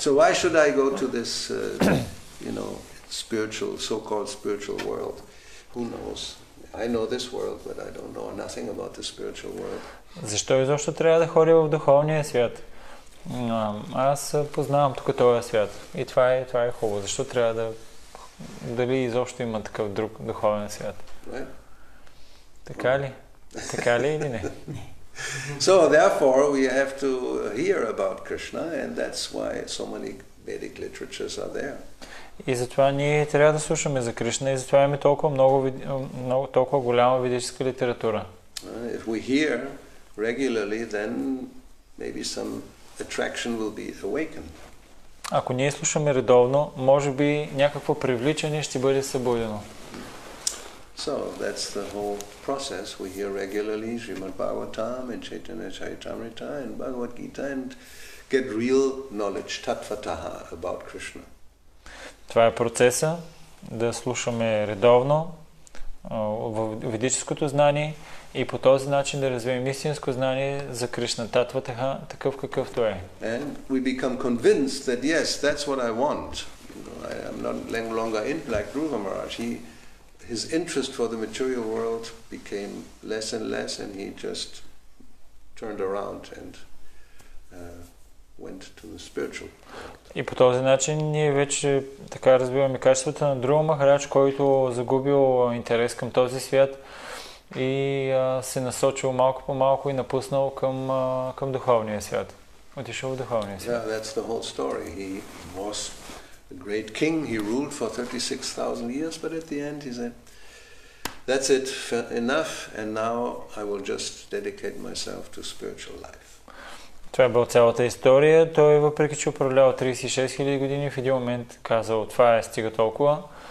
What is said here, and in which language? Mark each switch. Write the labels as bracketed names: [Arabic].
[English] So why should I go to this, you know, spiritual, so-called spiritual world? Who knows? I know this world, but I don't know nothing about the spiritual world. [Bulgarian] Защо изобщо трябва да ходя в духовния свят? Аз познавам тук този свят. И това е хубаво. Защо трябва да... Дали изобщо има такъв друг духовен свят? [English] Right. [Bulgarian] Така ли? Така ли или не? [English] So, therefore, we have to hear about Krishna, and that's why so many Vedic literatures are there. [Bulgarian] И затова ние трябва да слушаме за Кришна и затова имаме толкова много, много толкова голяма ведическа литература. [English] If we hear regularly, then maybe some attraction will be awakened. [Bulgarian] Ако ние слушаме редовно, може би някакво привличане ще бъде събудено. [English] So that's the whole process. We hear regularly Srimad Bhagavatam and Chaitanya Charitamrita and Bhagavad Gita and get real knowledge tatvataha about Krishna. [Bulgarian] Това е процеса да слушаме редовно ведическото знание и по този начин да развием истинско знание за Кришна Татватаха, такъв какъвто е. [English] And we become convinced that yes, that's what I want. I am not longer in black Dhruva Maharaj. His interest for the material world became less and less and he just turned around and went to the spiritual. [Bulgarian] И по този начин ние вече така разбиваме качествата на друг махарач, който загубил интерес към този свят и се насочил малко по малко и напуснал към духовния свят. Отишъл в духовния свят. [English] Yeah, that's the whole story. He was a great king. He ruled for 36,000 years, but at the end he said, that's it, enough, and now I will just dedicate myself to spiritual life. [Bulgarian] Това е била цялата история. Той, въпреки че управлявал 36 000 години, в един момент казал, това е, стига толкова.